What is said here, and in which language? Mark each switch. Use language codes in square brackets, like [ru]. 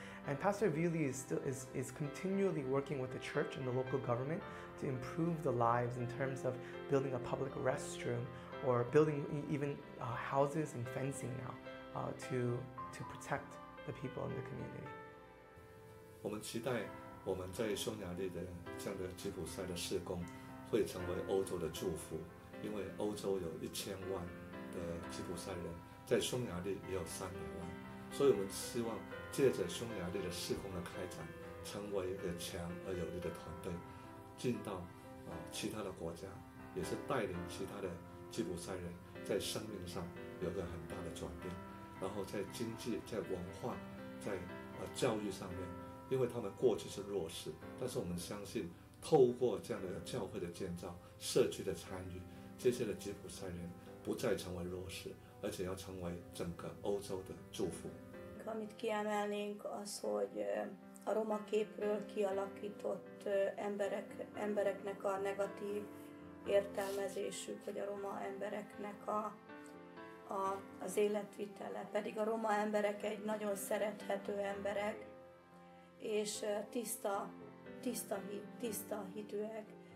[en] And Pastor Vili is continually working with the church and the local government to improve the lives in terms of building a public restroom or building even houses and fencing now to protect the people in the community. [zh] 我们期待我们在匈牙利的这样的吉普赛的事工会成为欧洲的祝福，因为欧洲有1000万的吉普赛人，在匈牙利也有300万，所以我们希望借着匈牙利的事工的开展，成为一个强而有力的团队，进到其他的国家，也是带领其他的吉普赛人在生命上有个很大的转变，然后在经济、在文化、在教育上面，因为他们过去是弱势，但是我们相信透过这样的教会的建造、社区的参与，这些的吉普赛人不再成为弱势，而且要成为整个欧洲的祝福。 [hu] Amit kiemelnénk az, hogy a roma képről kialakított embereknek a negatív értelmezésük, vagy a roma embereknek az életvitele. Pedig a roma emberek egy nagyon szerethető emberek, és tiszta hitűek.